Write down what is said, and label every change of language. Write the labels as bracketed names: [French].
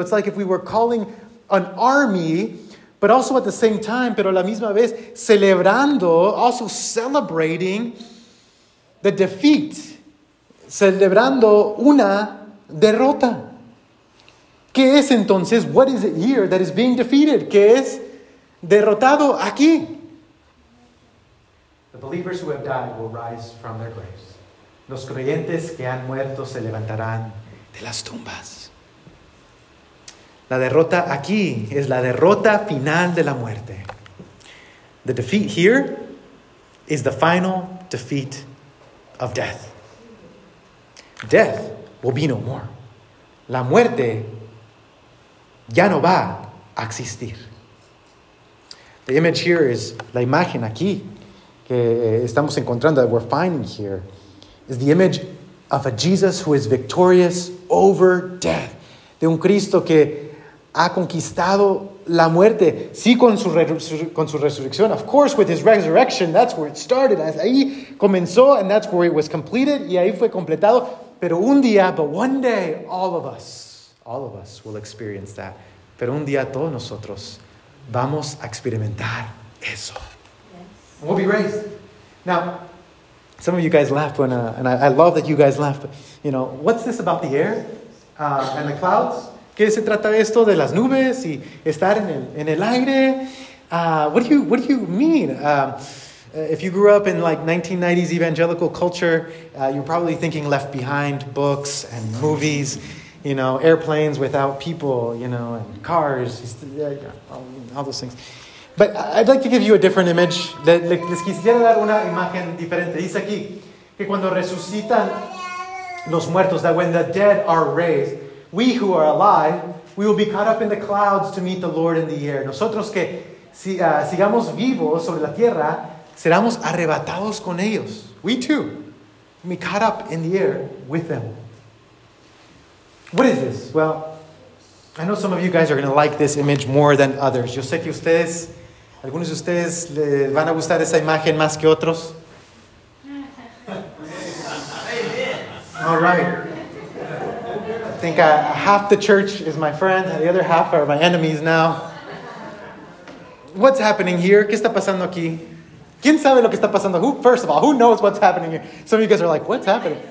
[English] It's like if we were calling an army, but also at the same time, [Spanish] pero a la misma vez, celebrando, [English] also celebrating the defeat. [Spanish] Celebrando una derrota. ¿Qué es entonces? [English] What is it here that is being defeated? [Spanish] ¿Qué es derrotado aquí? [English] The believers who have died will rise from their graves. [Spanish] Los creyentes que han muerto se levantarán de las tumbas. La derrota aquí es la derrota final de la muerte. [English] The defeat here is the final defeat of death. Death will be no more. [Spanish] La muerte ya no va a existir. [English] The image here is [Spanish] la imagen aquí que estamos encontrando, [English] that we're finding here, is the image of a Jesus who is victorious over death. [Spanish] De un Cristo que ha conquistado la muerte, sí, con su resurrección. [English] Of course, with his resurrection, that's where it started. [Spanish] Ahí comenzó, [English] and that's where it was completed, [Spanish] y ahí fue completado. Pero un día, [English] but one day, all of us will experience that. [Spanish] Pero un día todos nosotros vamos a experimentar eso. [English] Yes. We'll be raised. Now, some of you guys laugh, and I love that you guys laugh, but, you know, what's this about the air and the clouds? [Spanish] ¿Qué se trata esto de las nubes y estar en el aire? [English] What do you mean? If you grew up in like 1990s evangelical culture, you're probably thinking Left Behind books and movies, you know, airplanes without people, you know, and cars, all those things. But I'd like to give you a different image. [Spanish] Les quisiera dar una imagen diferente. Dice aquí que cuando resucitan los muertos, [English] that when the dead are raised, we who are alive, we will be caught up in the clouds to meet the Lord in the air. [Spanish] Nosotros que sigamos vivos sobre la tierra, seremos arrebatados con ellos. [English] We too will be caught up in the air with them. What is this? Well, I know some of you guys are going to like this image more than others. [Spanish] Yo sé que ustedes, algunos de ustedes, le van a gustar esa imagen más que otros. [English] All right. I think half the church is my friend, and the other half are my enemies now. What's happening here? [Spanish] ¿Qué está pasando aquí? ¿Quién sabe lo que está pasando? [English] First of all, who knows what's happening here? Some of you guys are like, what's happening?